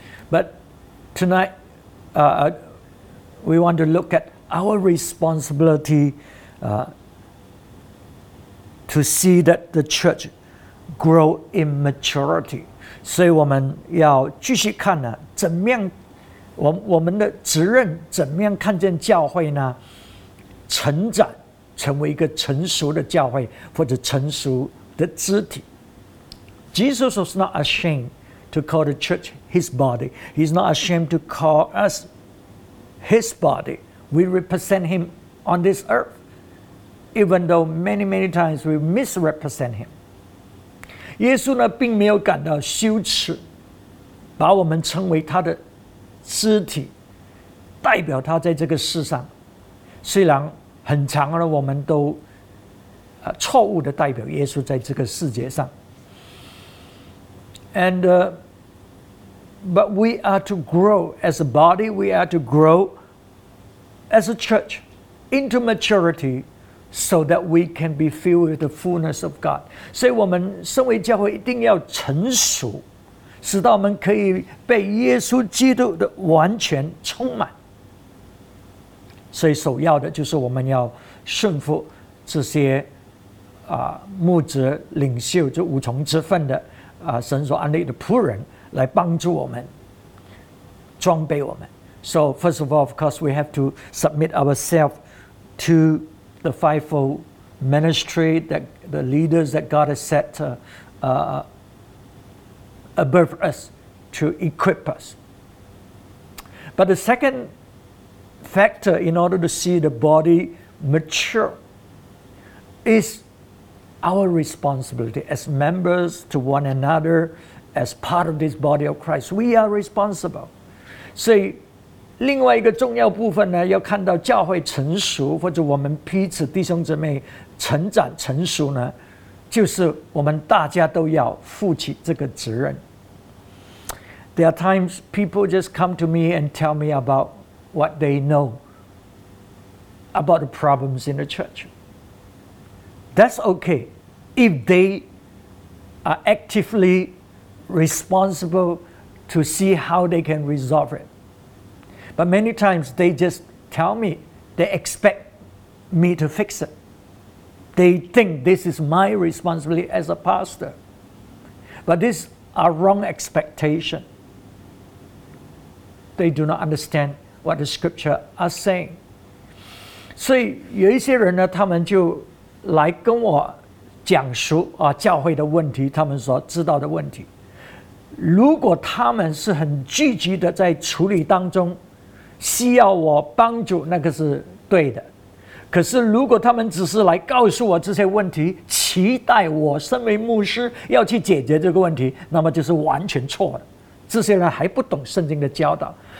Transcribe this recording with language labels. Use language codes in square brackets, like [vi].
[en] But tonight, we want to look at our responsibility to see that the church grow in maturity. [zh] 所以我们要继续看呢，怎么样我们的责任，怎么样看见教会呢成长，成为一个成熟的教会或者成熟的肢体。 [en] Jesus was not ashamed to call the church his body. He's not ashamed to call us his body. We represent him on this earth, even though many, many times we misrepresent him. [zh] 耶稣呢并没有感到羞耻，把我们称为他的肢体，代表他在这个世上。虽然很长了，我们都错误的代表耶稣在这个世界上。 [en] And but we are to grow as a body, we are to grow as a church into maturity so that we can be filled with the fullness of God. [zh] 所以我们身为教会一定要成熟，使到我们可以被耶稣基督的完全充满。所以首要的就是我们要顺服这些牧者领袖，就五重之分的神所安立的仆人来帮助我们，装备我们。 [en] So first of all, of course, we have to submit ourselves to the fivefold ministry that the leaders that God has set above us to equip us. But the second factor in order to see the body mature is. Our responsibility as members to one another, as part of this body of Christ, we are responsible. [zh] 所以另外一个重要部分呢，要看到教会成熟，或者我们彼此弟兄姊妹成长成熟呢，就是我们大家都要负起这个责任。 [en] There are times people just come to me and tell me about what they know about the problems in the church. That's okay. If they are actively responsible to see how they can resolve it. But many times they just tell me, they expect me to fix it. They think this is my responsibility as a pastor. But these are wrong expectations. They do not understand what the scripture are saying. [zh] 所以有一些人呢，他们就来跟我讲述教会的问题，他们所知道的问题。如果他们是很积极的在处理当中，需要我帮助，那个是对的。可是如果他们只是来告诉我这些问题，期待我身为牧师要去解决这个问题，那么就是完全错的。这些人还不懂圣经的教导。